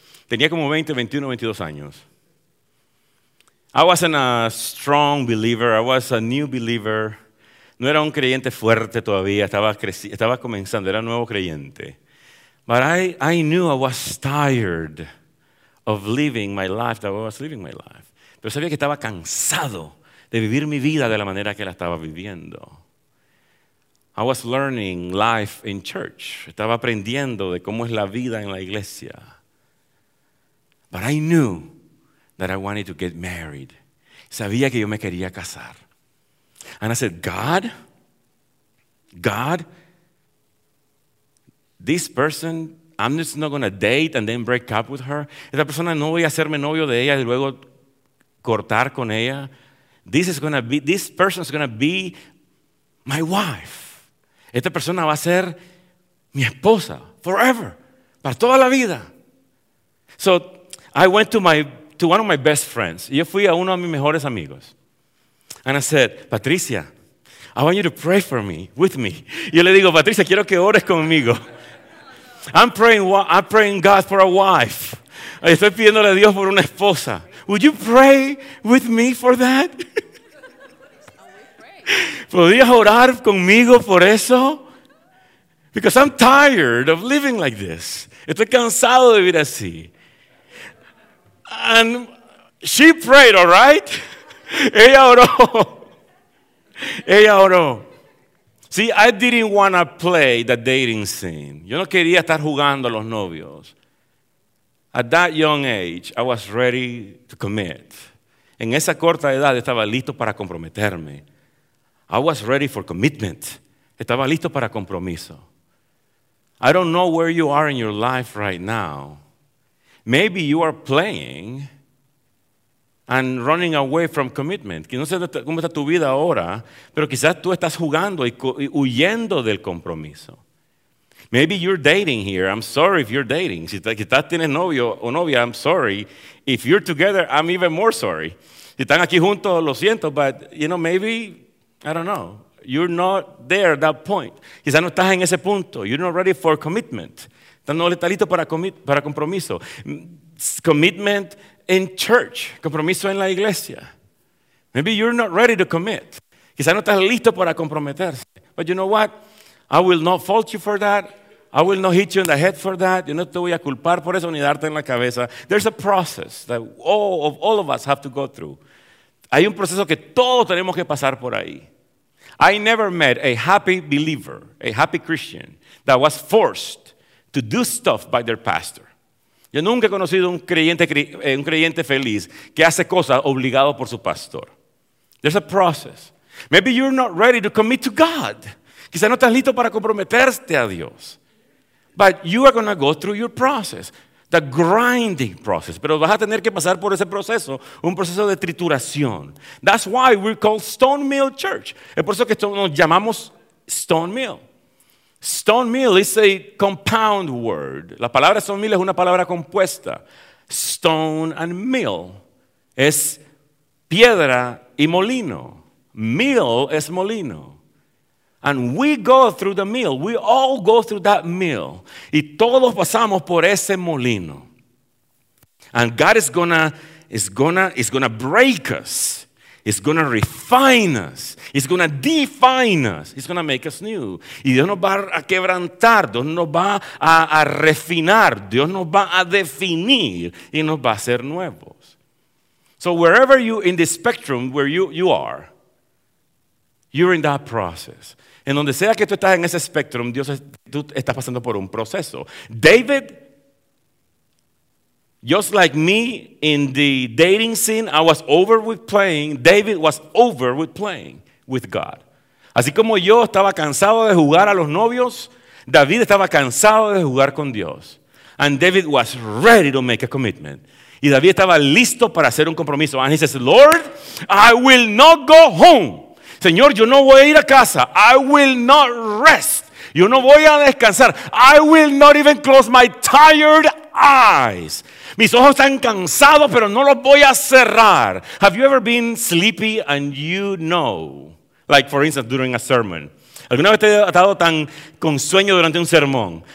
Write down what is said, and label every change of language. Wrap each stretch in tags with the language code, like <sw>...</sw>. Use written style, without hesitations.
<es>Tenía como 20, 21, 22 años.</es> <en>I wasn't a strong believer. I was a new believer.</en> <es>No era un creyente fuerte todavía. Estaba comenzando. Era nuevo creyente.</es> <en>But I knew I was tired of living my life that I was living my life.</en> <es>Pero sabía que estaba cansado de vivir mi vida de la manera que la estaba viviendo.</es> <en>I was learning life in church.</en> <es>Estaba aprendiendo de cómo es la vida en la iglesia.</es> <en>But I knew that I wanted to get married.</en> <es>Sabía que yo me quería casar.</es> <en>And I said, God, this person, I'm just not going to date and then break up with her.</en> <es>Esta persona no voy a hacerme novio de ella y luego cortar con ella.</es> <en>This person is going to be my wife.</en> <es>Esta persona va a ser mi esposa</es> <en>forever,</en> <es>para toda la vida.</es> <en>So I went to one of my best friends.</en> <es>Yo fui a uno de mis mejores amigos.</es> <en>And I said, Patricia, I want you to pray for me, with me.</en> <es>Yo le digo, Patricia, quiero que ores conmigo.</es> <en>I'm praying God for a wife.</en> <es>Estoy pidiéndole a Dios por una esposa.</es> <en>Would you pray with me for that?</en> <es>¿Podrías orar conmigo por eso?</es> <en>Because I'm tired of living like this.</en> <es>Estoy cansado de vivir así.</es> <en>And she prayed, all right?</en> <es>Ella oró. Ella oró.</es> <en>See, I didn't want to play the dating scene.</en> <es>Yo no quería estar jugando a los novios.</es> <en>At that young age, I was ready to commit.</en> <es>En esa corta edad, estaba listo para comprometerme.</es> <en>I was ready for commitment.</en> <es>Estaba listo para compromiso.</es> <en>I don't know where you are in your life right now. Maybe you are playing and running away from commitment.</en> <es>No sé cómo está tu vida ahora, pero quizás tú estás jugando y huyendo del compromiso.</es> <en>Maybe you're dating here. I'm sorry if you're dating.</en> <es>Si quizás tienes novio o novia,</es> <en>I'm sorry. If you're together, I'm even more sorry.</en> <es>Si están aquí juntos, lo siento,</es> <en>but you know, maybe, I don't know. You're not there at that point.</en> <es>Quizás no estás en ese punto.</es> <en>You're not ready for commitment.</en> <es>No estás listo para compromiso.</es> <en>Commitment in church.</en> <es>Compromiso en la iglesia.</es> <en>Maybe you're not ready to commit.</en> <es>Quizás no estás listo para comprometerse.</es> <en>But you know what? I will not fault you for that. I will not hit you in the head for that.</en> <es>Yo no te voy a culpar por eso ni darte en la cabeza.</es> <en>There's a process that all of us have to go through.</en> <es>Hay un proceso que todos tenemos que pasar por ahí.</es> <en>I never met a happy believer, a happy Christian, that was forced to do stuff by their pastor.</en> <es>Yo nunca he conocido un creyente feliz que hace cosas obligado por su pastor.</es> <en>There's a process. Maybe you're not ready to commit to God.</en> <es>Quizás no estás listo para comprometerte a Dios.</es> <en>But you are going to go through your process, the grinding process.</en> <es>Pero vas a tener que pasar por ese proceso, un proceso de trituración.</es> <en>That's why we're called Stone Mill Church.</en> <es>Es por eso que nos llamamos Stone Mill.</es> <en>Stone Mill is a compound word.</en> <es>La palabra Stone Mill es una palabra compuesta. Stone and mill es piedra y molino. Mill es molino.</es> <en>And we go through the mill. We all go through that mill.</en> <es>Y todos pasamos por ese molino.</es> <en>And God is gonna break us. He's gonna refine us. He's gonna define us. He's gonna make us new.</en> <es>Y Dios nos va a quebrantar. Dios nos va a refinar. Dios nos va a definir. Y nos va a hacer nuevos.</es> <en>So wherever you in the spectrum where you are, you're in that process.</en> <es>En donde sea que tú estás en ese espectro, Dios, tú estás pasando por un proceso.</es> <en>David, just like me in the dating scene, I was over with playing. David was over with playing with God.</en> <es>Así como yo estaba cansado de jugar a los novios, David estaba cansado de jugar con Dios.</es> <en>And David was ready to make a commitment.</en> <es>Y David estaba listo para hacer un compromiso.</es> <en>And he says, Lord, I will not go home.</en> <es>Señor, yo no voy a ir a casa.</es> <en>I will not rest.</en> <es>Yo no voy a descansar.</es> <en>I will not even close my tired eyes.</en> <es>Mis ojos están cansados, pero no los voy a cerrar.</es> <en>Have you ever been sleepy and you know? Like, for instance, during a sermon.</en> <es>¿Alguna vez te has estado tan con sueño durante un sermón?</es>